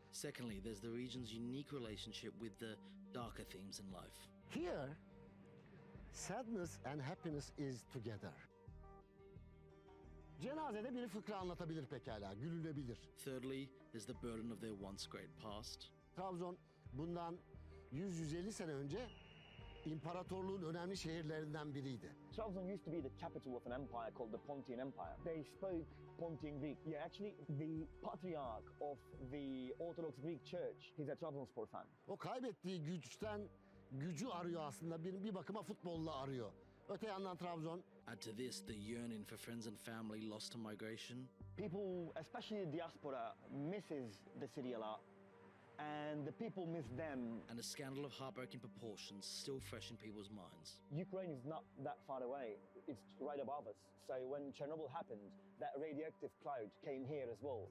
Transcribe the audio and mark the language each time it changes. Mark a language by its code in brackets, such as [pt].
[en] Secondly, there's the region's unique relationship with the darker themes in life. Here, sadness and happiness is together. [tr] Cenazede biri fıkra anlatabilir pekala, gülülebilir. [en] Thirdly, there's the burden of their once great past. [tr] Trabzon bundan 100-150 sene önce imparatorluğun önemli şehirlerinden biriydi. [en] Trabzon used to be the capital of an empire called the Pontian Empire. They spoke Pontian Greek. Yeah, actually the patriarch of the Orthodox Greek Church, he's a Trabzonspor fan. [tr] O kaybettiği güçten gücü arıyor aslında, bir bakıma futbolla arıyor. Öte yandan Trabzon. [en] Add to this the yearning for friends and family lost to migration. People, especially the diaspora, misses the city a lot, and the people miss them. And a scandal of heartbreaking proportions still fresh in people's minds. Ukraine is not that far away, it's right above us. So when Chernobyl happened, that radioactive cloud came here as well.